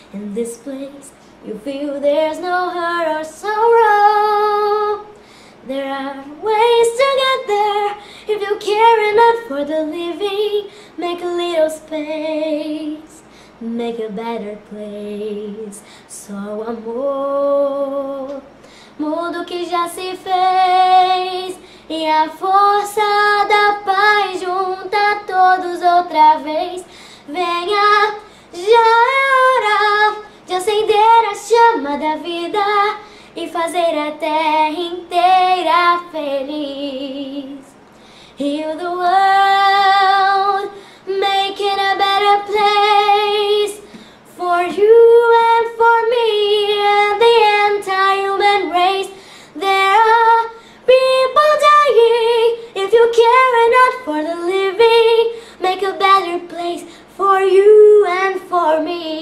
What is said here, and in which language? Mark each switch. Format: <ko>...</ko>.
<en>In this place, you feel there's no hurt or sorrow. There are ways to get there. If you care enough for the living, make a little space, make a better place.</en> <pt>Só o amor muda o que já se fez. E a força da paz junta todos outra vez. Venha, já é hora de acender a chama da vida e fazer a terra inteira feliz.</pt> <en>Heal the world, make it a better place for you and for me and the entire human race. There are people dying. If you care enough for the living, make a better place for you and for me.</en>